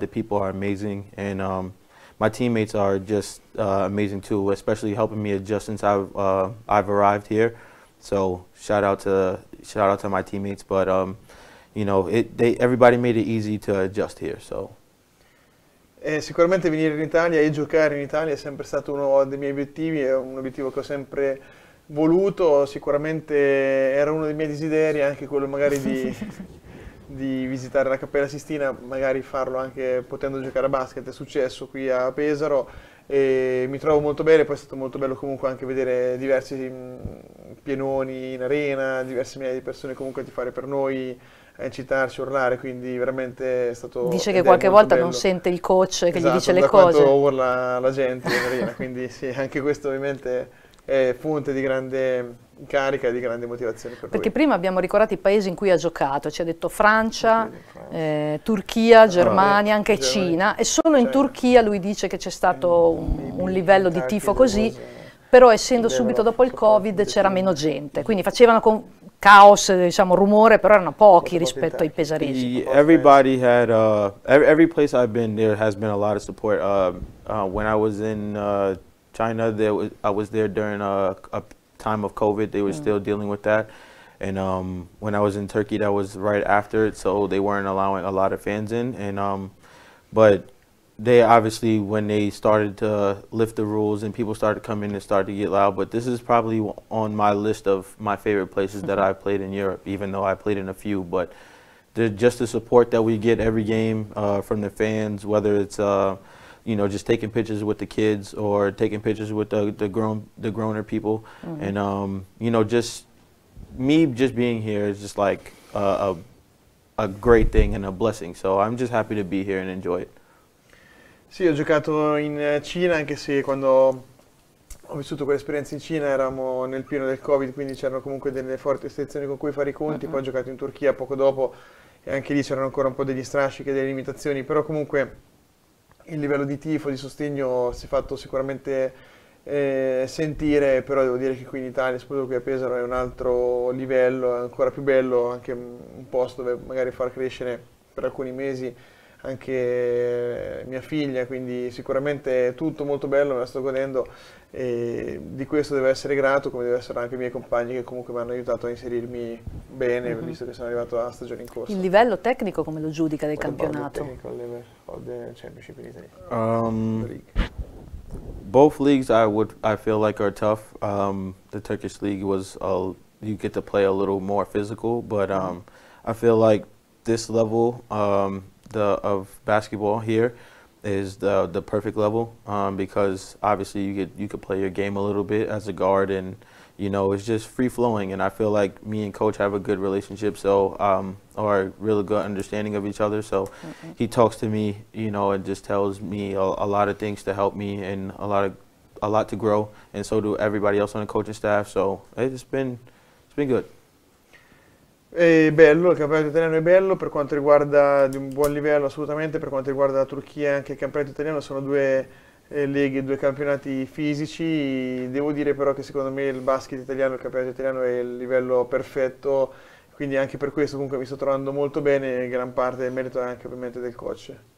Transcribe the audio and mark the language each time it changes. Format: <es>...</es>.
<en>The people are amazing. And my teammates are just amazing too, especially helping me adjust since I've arrived here. So shout out to my teammates. But, you know, everybody made it easy to adjust here. So.</en> <it>Sicuramente venire in Italia e giocare in Italia è sempre stato uno dei miei obiettivi, è un obiettivo che ho sempre voluto, sicuramente era uno dei miei desideri, anche quello magari di visitare la Cappella Sistina, magari farlo anche potendo giocare a basket, è successo qui a Pesaro e mi trovo molto bene, poi è stato molto bello comunque anche vedere diversi pienoni in arena, diverse migliaia di persone comunque a tifare per noi, a incitarci, urlare, quindi veramente è stato... Dice che qualche volta non sente il coach che gli dice le cose. Esatto, da quanto urla la gente, quindi sì, anche questo ovviamente è fonte di grande carica e di grande motivazione per lui. Perché prima abbiamo ricordato i paesi in cui ha giocato, ci ha detto Francia, Turchia, Germania, anche Cina, e solo in Turchia lui dice che c'è stato un livello di tifo così, però essendo subito dopo il Covid c'era meno gente, quindi facevano... caos, diciamo, rumore, però erano pochi rispetto ai pesaresi.</it> <en>Everybody had every place I've been, there has been a lot of support. When I was in China, I was there during a time of COVID. They were still dealing with that. And when I was in Turkey, that was right after it, so they weren't allowing a lot of fans in. And but they obviously, when they started to lift the rules and people started coming and started to get loud, but this is probably on my list of my favorite places that I've played in Europe, even though I played in a few, but just the support that we get every game from the fans, whether it's you know, just taking pictures with the kids or taking pictures with the growner people, mm-hmm. and you know, just me just being here is just like a great thing and a blessing. So I'm just happy to be here and enjoy it.</en> <it>Sì, ho giocato in Cina, anche se quando ho vissuto quell'esperienza in Cina eravamo nel pieno del Covid, quindi c'erano comunque delle forti restrizioni con cui fare i conti. Poi ho giocato in Turchia poco dopo e anche lì c'erano ancora un po' degli strascichi e delle limitazioni, però comunque il livello di tifo, di sostegno si è fatto sicuramente sentire. Però devo dire che qui in Italia, soprattutto qui a Pesaro, è un altro livello, è ancora più bello, anche un posto dove magari far crescere per alcuni mesi anche mia figlia, quindi sicuramente è tutto molto bello, me la sto godendo e di questo devo essere grato, come devo essere anche i miei compagni che comunque mi hanno aiutato a inserirmi bene, mm-hmm. visto che sono arrivato alla stagione in corso. Il livello tecnico come lo giudica del campionato?</it> <en>What about the championship in Italy? Both leagues I feel like are tough. The Turkish league was you get to play a little more physical, but I feel like this level of basketball here is the perfect level, because obviously you could play your game a little bit as a guard, and you know, it's just free flowing, and I feel like me and coach have a good relationship, so or a really good understanding of each other, so mm-hmm. he talks to me, you know, and just tells me a lot of things to help me and a lot to grow, and so do everybody else on the coaching staff, so it's been good.</en> <it>È bello, il campionato italiano è bello per quanto riguarda, di un buon livello assolutamente, per quanto riguarda la Turchia e anche il campionato italiano sono due leghe, due campionati fisici. Devo dire però che secondo me il basket italiano, il campionato italiano è il livello perfetto, quindi anche per questo comunque mi sto trovando molto bene, gran parte del merito è anche ovviamente del coach.</it>